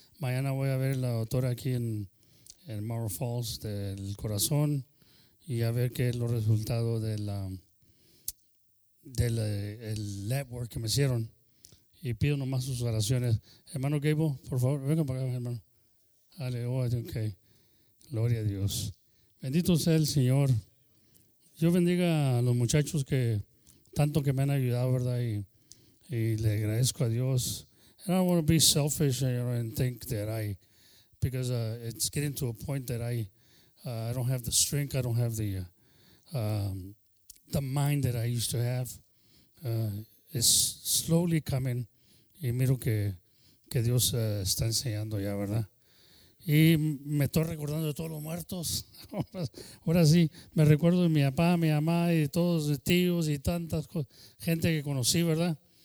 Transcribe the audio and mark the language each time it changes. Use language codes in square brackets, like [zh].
[es] Mañana voy a ver a la doctora aquí en Marble Falls del corazón y a ver qué es los resultados del lab work que me hicieron. Y pido nomás sus oraciones. Hermano Gable, por favor, venga para acá, hermano. Aleluya, ok. Gloria a Dios. Bendito sea el Señor. Yo bendiga a los muchachos que tanto que me han ayudado, ¿verdad? Y le agradezco a Dios. [en] I don't want to be selfish, you know, and think that because it's getting to a point that I don't have the strength, I don't have the mind that I used to have. It's slowly coming. [es] Y miro que Dios está enseñando ya, ¿verdad? Y me estoy recordando de todos los muertos. Ahora sí, me recuerdo de mi papá, mi mamá y de todos los tíos y tantas gente que conocí, ¿verdad?